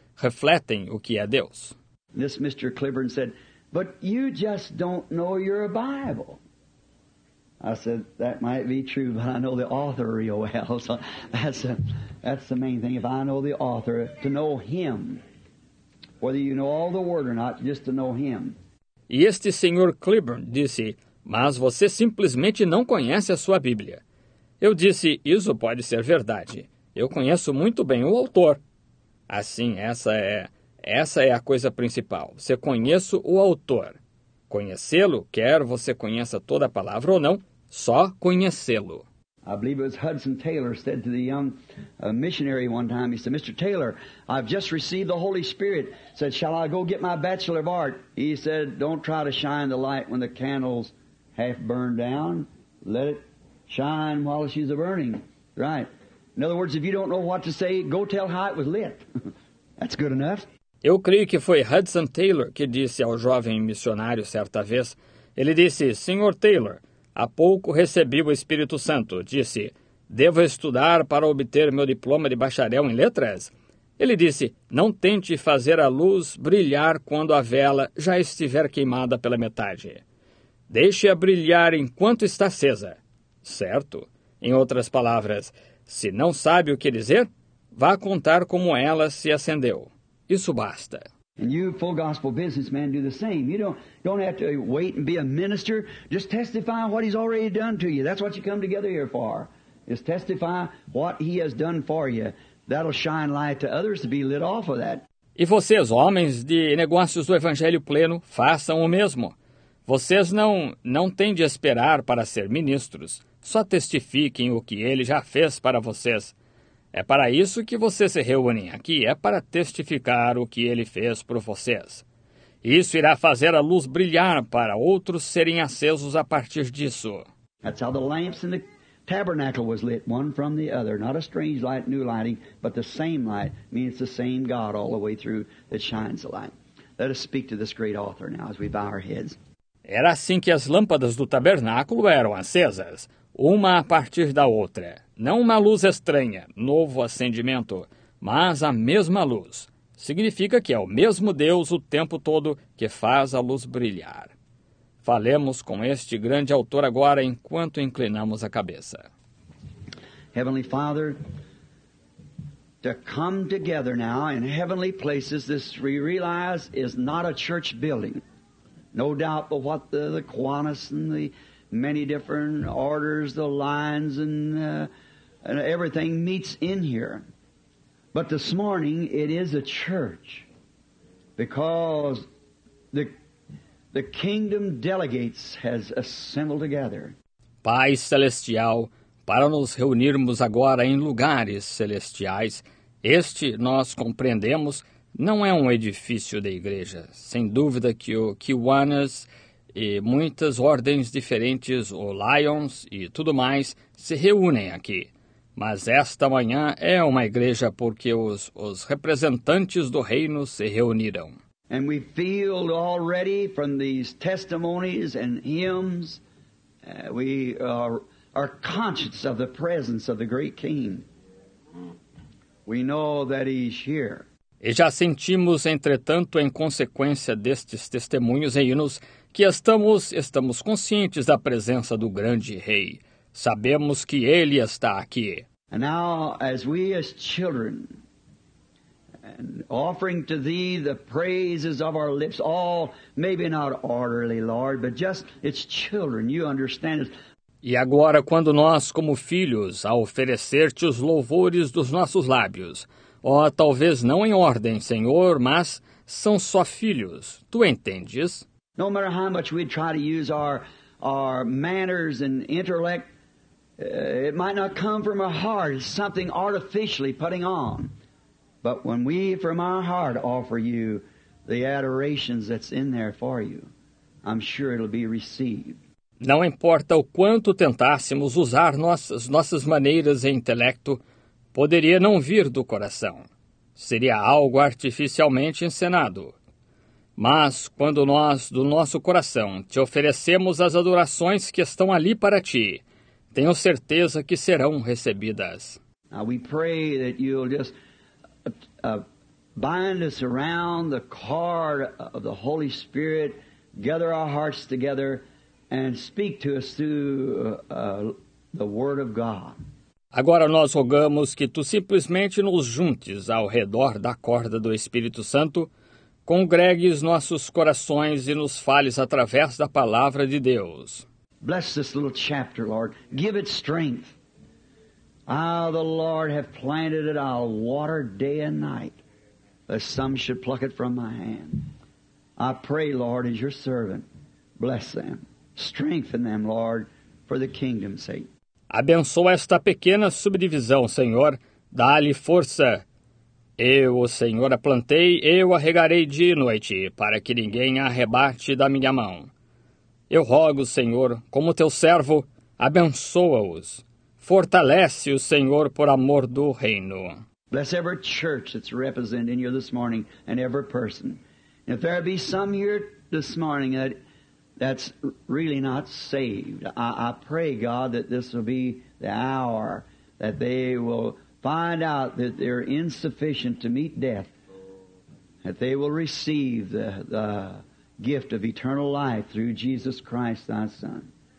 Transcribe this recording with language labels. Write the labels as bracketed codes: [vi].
[pt] Refletem o que é Deus. [en] This Mr. Cliburn said, but you just don't know your Bible. I said, that might be true, but I know the author real well. So that's the main thing. If I know the author, to know him, whether you know all the word or not, just to know him. [pt] E este senhor Cliburn disse, mas você simplesmente não conhece a sua Bíblia. Eu disse, isso pode ser verdade. Eu conheço muito bem o autor. Assim, essa é a coisa principal. Você conhece o autor. Conhecê-lo, quer você conheça toda a palavra ou não, só conhecê-lo. [en] I believe it was Hudson Taylor said to the young missionary one time, he said, Mr. Taylor, I've just received the Holy Spirit. Said, shall I go get my Bachelor of Art? He said, don't try to shine the light when the candle's half burned down. Let it shine while she's a-burning. Right. In other words, if you don't know what to say, go tell how it was lit. That's good enough. [pt] Eu creio que foi Hudson Taylor que disse ao jovem missionário certa vez. Ele disse, Sr. Taylor... Há pouco recebi o Espírito Santo. Disse, devo estudar para obter meu diploma de bacharel em letras? Ele disse, não tente fazer a luz brilhar quando a vela já estiver queimada pela metade. Deixe-a brilhar enquanto está acesa. Certo? Em outras palavras, se não sabe o que dizer, vá contar como ela se acendeu. Isso basta. [en] And you full gospel businessman do the same. You don't have to wait and be a minister. Just testify what he's already done to you. That's what you come together here for. Is testify what he has done for you. That'll shine light to others to be lit off of that. [pt] E vocês, homens de negócios do Evangelho Pleno, façam o mesmo. Vocês não têm de esperar para ser ministros. Só testifiquem o que ele já fez para vocês. É para isso que vocês se reúnem aqui, é para testificar o que ele fez por vocês. Isso irá fazer a luz brilhar para outros serem acesos a partir disso. [en] That's how the lamps in the tabernacle was lit, one from the other. Not a strange light, new lighting, but the same light. Means the same God all the way through that shines the light. Let us speak to this great author now as we bow our heads. [pt] Era assim que as lâmpadas do tabernáculo eram acesas, uma a partir da outra. Não uma luz estranha, novo acendimento, mas a mesma luz. Significa que é o mesmo Deus o tempo todo que faz a luz brilhar. Falemos com este grande autor agora enquanto inclinamos a cabeça. [en] Heavenly Father, to come together now in heavenly places, this we realize is not a church building. No doubt but what the Kiwanis and the many different orders, the lines and everything meets in here. But this morning it is a church, because the kingdom delegates has assembled together. [pt] Pai Celestial, para nos reunirmos agora em lugares celestiais, este, nós compreendemos, não é um edifício da igreja. Sem dúvida que o Kiwanis e muitas ordens diferentes, o Lions e tudo mais, se reúnem aqui. Mas esta manhã é uma igreja porque os representantes do reino se reuniram. [en] And we feel already from these testimonies and hymns, we are conscious of the presence of the great King. We know that he's here. [pt] E já sentimos, entretanto, em consequência destes testemunhos e hinos, que estamos conscientes da presença do grande rei. Sabemos que ele está aqui. [en] And now, as we as children, and offering to thee the praises of our lips, all maybe not orderly, Lord, but just it's children, you understand it. [pt] E agora, quando nós, como filhos, a oferecer-te os louvores dos nossos lábios, ó, talvez não em ordem, Senhor, mas são só filhos, tu entendes? [en] No matter how much we try to use our manners and intellect, it might not come from our heart, it's something artificially putting on. But when we from our heart offer you the adorations that's in there for you, I'm sure it'll be received. [pt] Não importa o quanto tentássemos usar nossas maneiras e intelecto, poderia não vir do coração. Seria algo artificialmente encenado. Mas quando nós, do nosso coração, te oferecemos as adorações que estão ali para ti, tenho certeza que serão recebidas. [en] Now we pray that you'll just bind us around the cord of the Holy Spirit, gather our hearts together, and speak to us through the Word of God. [pt] Agora nós rogamos que tu simplesmente nos juntes ao redor da corda do Espírito Santo, congregues nossos corações e nos fales através da Palavra de Deus. [en] Bless this little chapter, Lord. Give it strength. Ah, the Lord have planted it, I'll water day and night, lest some should pluck it from my hand. I pray, Lord, as your servant, bless them. Strengthen them, Lord, for the kingdom's sake. [pt] Abençoa esta pequena subdivisão, Senhor. Dá-lhe força. Eu, o Senhor, a plantei, eu a regarei de noite, para que ninguém a arrebate da minha mão. Eu rogo, Senhor, como teu servo, abençoa-os. Fortalece-os, Senhor, por amor do reino. [en] Bless every church that's representing you this morning, and every person. If there be some here this morning that's really not saved, I pray, God, that this will be the hour that they will find out that they're insufficient to meet death, that they will receive the gift of eternal life through Jesus Christ, thy Son.